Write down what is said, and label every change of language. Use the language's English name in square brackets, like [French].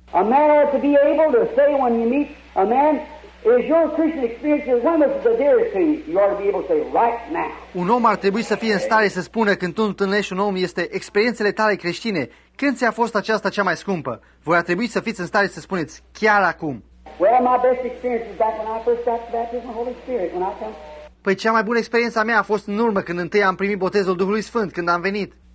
[English] A man ought to be able to say when you meet a man, is your Christian experience as much as a dear thing? You ought to be able to say right now. [Romanian] Un om ar trebui să fie în stare să spună când tu întâlnești un om, este experiențele tale creștine, când ți-a fost aceasta cea mai scumpă? Voi ar trebui să fiți în stare să spuneți chiar acum. [English] Well, my best experience is back when I first got baptized in the Holy Spirit, when I come. [Romanian] Păi cea mai bună experiență a mea a fost în urmă, când întâi am primit botezul Duhului Sfânt, când am venit.